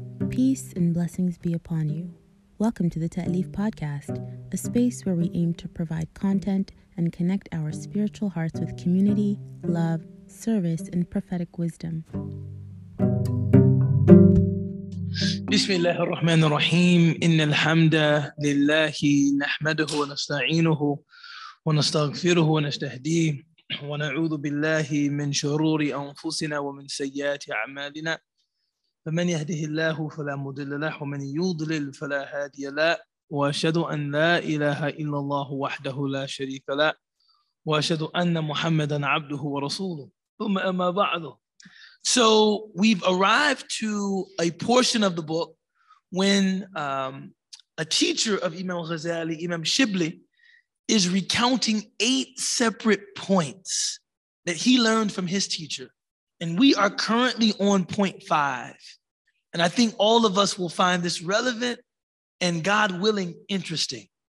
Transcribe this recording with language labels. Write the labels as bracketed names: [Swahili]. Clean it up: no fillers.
[English] Peace and blessings be upon you. Welcome to the Ta'lif Podcast, a space where we aim to provide content and connect our spiritual hearts with community, love, service, and prophetic wisdom. [Arabic] بسم الله الرحمن الرحيم إن الحمد لله نحمده ونستعينه ونستغفره ونستهديه ونعوذ بالله من شرور أنفسنا ومن سيئات أعمالنا فمن يهده الله فلا مضل له ومن يضلل فلا هادي له وأشهد أن لا إله إلا الله وحده لا شريك له وأشهد أن محمدا عبده ورسوله ثم أما بعد. [English] So we've arrived to a portion of the book when a teacher of Imam Ghazali, Imam Shibli, is recounting 8 separate points that he learned from his teacher. And we are currently on point 5. And I think all of us will find this relevant and, God willing, interesting.